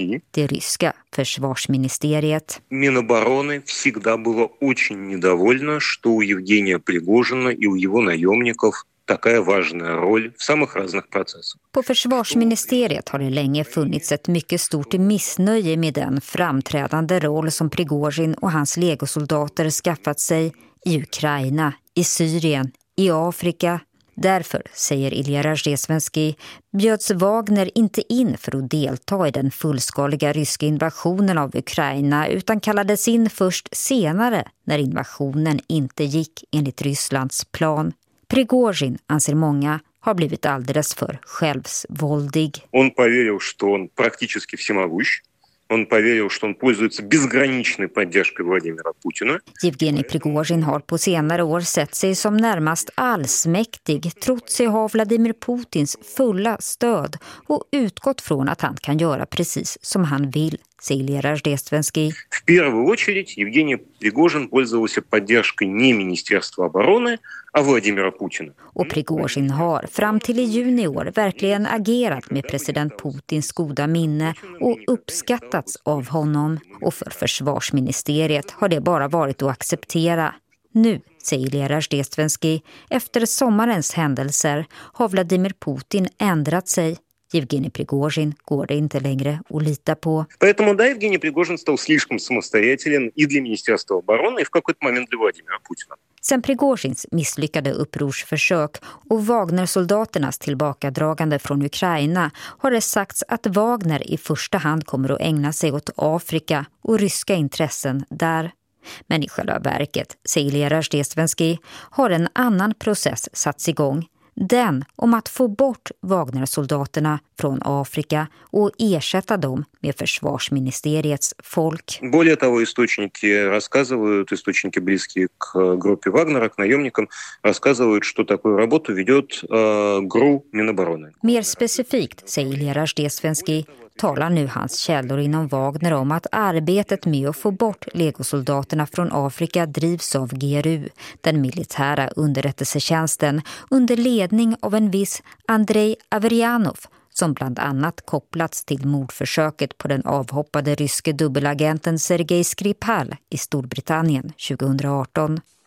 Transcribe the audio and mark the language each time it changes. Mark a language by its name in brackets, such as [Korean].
[Swedish] Det ryska försvarsministeriet. [Russian] Minobarone всегда было очень недовольна, что у Евгения Пригожина и у его наемников такая важная роль в самых разных процессах. По [Swedish] försvarsministeriet har det länge funnits ett mycket stort missnöje med den framträdande roll som Prigozjin och hans legosoldater skaffat sig i Ukraina, i Syrien, i Afrika. Därför, säger Ilja Rajesvenski, bjöds Wagner inte in för att delta i den fullskaliga ryska invasionen av Ukraina utan kallades in först senare när invasionen inte gick enligt Rysslands plan. Prigozjin, anser många, har blivit alldeles för självsvåldig. [Russian] Он поверил, что он практически всемогущ. Он поверил, что он пользуется безграничной поддержкой Владимира Путина. [Swedish] Евгений Пригожин har på senare år sett sig som närmast allsmäktig, trots sig ha Vladimir Putins fulla stöd och utgått från att han kan göra precis som han vill, säger Rajdestvenski. [Russian] В первую очередь Евгений Пригожин пользовался поддержкой не Министерства обороны, а Владимира Путина. [Swedish] Och Prigozjin har fram till i juni år verkligen agerat med president Putins goda minne och uppskattats av honom. Och för försvarsministeriet har det bara varit att acceptera. Nu, säger Lera Zdestvenski, efter sommarens händelser har Vladimir Putin ändrat sig. Евгений Пригожин går det inte längre att lita på. [Russian] Поэтому да, Евгений Пригожин стал слишком самостоятелен и для Министерства обороны, и в какой-то момент для Владимира Путина. [Swedish] Sen Prigozjins misslyckade upprorsförsök och Wagner-soldaternas tillbakadragande från Ukraina har det sagts att Wagner i första hand kommer att ägna sig åt Afrika och ryska intressen där. Men i själva verket, säger Lera Zdestvenski, har en annan process satts igång. Den om att få bort Wagner-soldaterna från Afrika och ersätta dem med försvarsministeriets folk. [Russian] Более того, источники рассказывают, источники близкие к группе Вагнера, к наемникам, рассказывают, что такую работу ведет ГРУ Минобороны. [Swedish] Mer specifikt, säger Lera Zdestvenski, talar nu hans källor inom Wagner om att arbetet med att få bort legosoldaterna från Afrika drivs av GRU, den militära underrättelsetjänsten, under ledning av en viss Andrei Averianov, som bland annat kopplats till mordförsöket på den avhoppade ryske dubbelagenten Sergej Skripal i Storbritannien 2018.